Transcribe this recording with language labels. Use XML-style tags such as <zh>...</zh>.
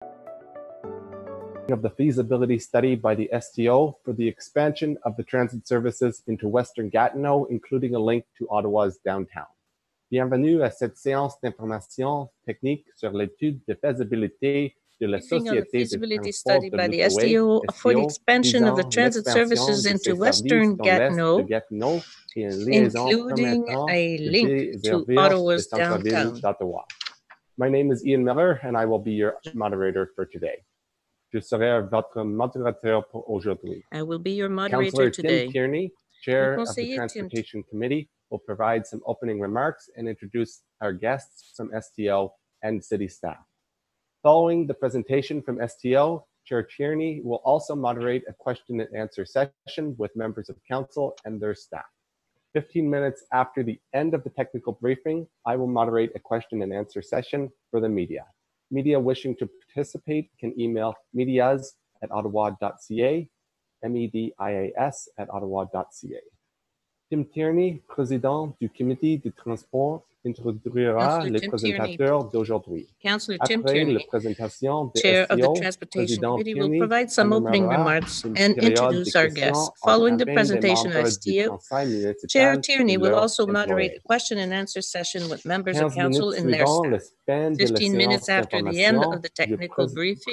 <en>Of the feasibility study by the STO for the expansion of the transit services into Western Gatineau, including a link to Ottawa's downtown.</en> <fr>Bienvenue à cette séance d'information technique sur l'étude de feasibility de la société de</fr> <en>feasibility study by the STO for the expansion of the transit services into Western Gatineau, including a link to Ottawa's downtown. My name is Ian Miller, and I will be your moderator for today.</en> <fr>Je serai votre modérateur pour aujourd'hui.</fr> <en>I will be your moderator today. Councillor Tim Kearney, Chair of the Transportation Committee, will provide some opening remarks and introduce our guests from STO and city staff. Following the presentation from STO, Chair Tierney will also moderate a question and answer session with members of council and their staff. 15 minutes after the end of the technical briefing, I will moderate a question and answer session for the media. Media wishing to participate can email medias@ottawa.ca, M-E-D-I-A-S @ottawa.ca.</en> <fr>Tim Tierney, président du comité de transport, introduira les présentateurs d'aujourd'hui.</fr> <en>Councillor Tim Tierney, Chair of the Transportation Committee, will provide some opening remarks and introduce our guests. Following the presentation of STO, Chair Tierney will also moderate a question and answer session with members of council and their staff. 15 minutes after the end of the technical briefing,</en>